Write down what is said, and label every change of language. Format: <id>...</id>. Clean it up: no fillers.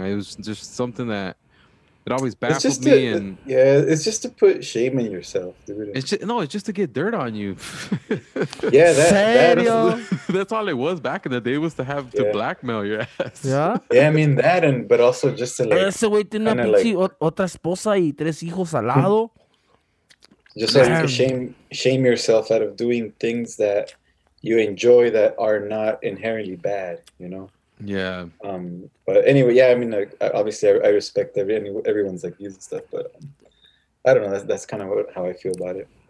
<en>It was just something that it always baffled me. It's just to put shame in yourself, dude. It's just to get dirt on you. Yeah, that's all it was back in the day, was to have to blackmail your ass. Yeah. Yeah, I mean that, and but also just to like.</en> <es>Ese güey tiene una pinche otra esposa y tres hijos al lado.</es> <en>Just like to shame yourself out of doing things that you enjoy that are not inherently bad, you know. Yeah. But anyway, yeah, I mean, like, obviously I respect everyone's like views and stuff, but I don't know, that's kind of how I feel about it.</en>